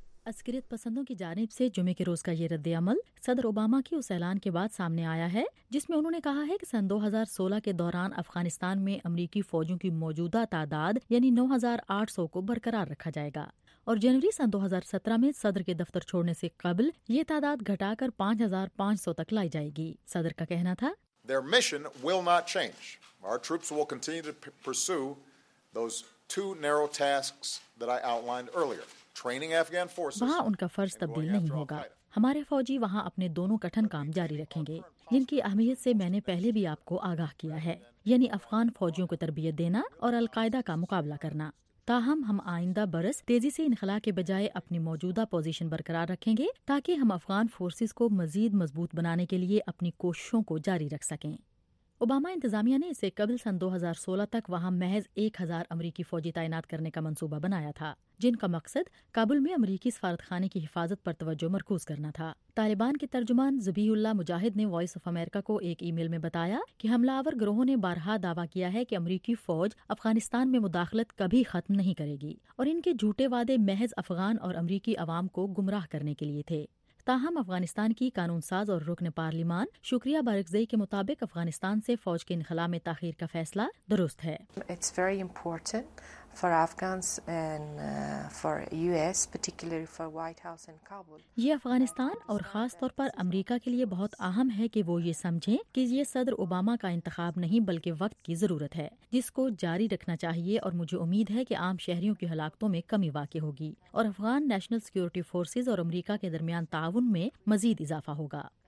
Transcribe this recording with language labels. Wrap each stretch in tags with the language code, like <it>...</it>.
<ur>عسکریت پسندوں کی جانب سے جمعے کے روز کا یہ رد عمل صدر اوباما کے اس اعلان کے بعد سامنے آیا ہے جس میں انہوں نے کہا ہے کہ 2016 کے دوران افغانستان میں امریکی فوجوں کی موجودہ تعداد یعنی 9800 کو برقرار رکھا جائے گا، اور جنوری 2017 میں صدر کے دفتر چھوڑنے سے قبل یہ تعداد گھٹا کر 5500 تک لائی جائے گی. صدر کا کہنا تھا</ur> <en>Their mission will not change. Our troops will continue to pursue those two narrow tasks that I outlined earlier.</en> <ur>وہاں ان کا فرض تبدیل نہیں ہوگا. ہمارے فوجی وہاں اپنے دونوں کٹھن کام جاری رکھیں گے جن کی اہمیت سے میں نے پہلے بھی آپ کو آگاہ کیا ہے، یعنی افغان فوجیوں کو تربیت دینا اور القاعدہ کا مقابلہ کرنا. تاہم ہم آئندہ برس تیزی سے انخلا کے بجائے اپنی موجودہ پوزیشن برقرار رکھیں گے تاکہ ہم افغان فورسز کو مزید مضبوط بنانے کے لیے اپنی کوششوں کو جاری رکھ سکیں. اوباما انتظامیہ نے اسے قبل 2016 تک وہاں محض 1000 امریکی فوجی تعینات کرنے کا منصوبہ بنایا تھا جن کا مقصد کابل میں امریکی سفارتخانے کی حفاظت پر توجہ مرکوز کرنا تھا. طالبان کے ترجمان ذبیح اللہ مجاہد نے وائس آف امریکہ کو ایک ای میل میں بتایا کہ حملہ آور گروہوں نے بارہا دعویٰ کیا ہے کہ امریکی فوج افغانستان میں مداخلت کبھی ختم نہیں کرے گی، اور ان کے جھوٹے وعدے محض افغان اور امریکی عوام کو گمراہ کرنے کے لیے تھے. تاہم افغانستان کی قانون ساز اور رکن پارلیمان شکریہ بارکزئی کے مطابق افغانستان سے فوج کے انخلا میں تاخیر کا فیصلہ درست ہے.</ur> <en>It's very important for Afghans and for US, particularly for White House and Kabul.</en> <ur>یہ افغانستان اور خاص طور پر امریکہ کے لیے بہت اہم ہے کہ وہ یہ سمجھیں کہ یہ صدر اوباما کا انتخاب نہیں بلکہ وقت کی ضرورت ہے جس کو جاری رکھنا چاہیے، اور مجھے امید ہے کہ عام شہریوں کی ہلاکتوں میں کمی واقع ہوگی اور افغان نیشنل سیکیورٹی فورسز اور امریکہ کے درمیان تعاون میں مزید اضافہ ہوگا.</ur>